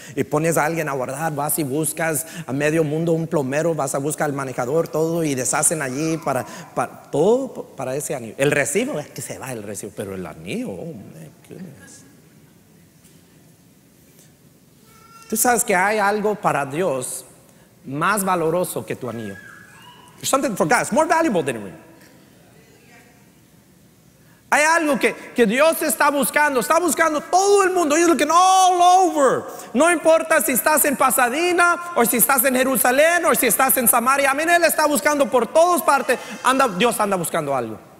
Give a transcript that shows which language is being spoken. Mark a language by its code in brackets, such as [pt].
[es] Y pones a alguien a guardar, vas y buscas a medio mundo un plomero, vas a buscar al manejador, todo, y deshacen allí para todo para ese anillo. El recibo, es que se va el recibo, pero el anillo, [en] oh my goodness. [es] Tú sabes que hay algo para Dios más valoroso que tu anillo. [en] There's something for God, it's more valuable than a ring. [es] Hay algo que Dios está buscando todo el mundo. [en] He's looking all over. [es] No importa si estás en Pasadena o si estás en Jerusalén o si estás en Samaria. Amén. Él está buscando por todas partes. Dios anda buscando algo.